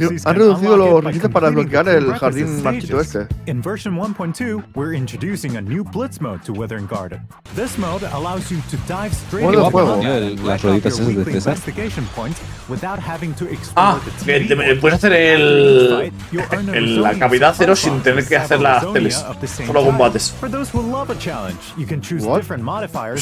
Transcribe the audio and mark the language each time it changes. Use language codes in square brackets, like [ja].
[es] Han reducido los requisitos para bloquear el jardín marchito este. [en] In version 1.2, we're introducing a new Blitz mode to Wuthering Garden. This mode allows you to dive straight into the fuego. [es] Las rueditas esas de César. [en] Investigation point without having to explore the TV. [es] Puedes hacer la cavidad cero sin tener que hacer las teles, solo combates. [en] For those who love a challenge, you can choose different modifiers.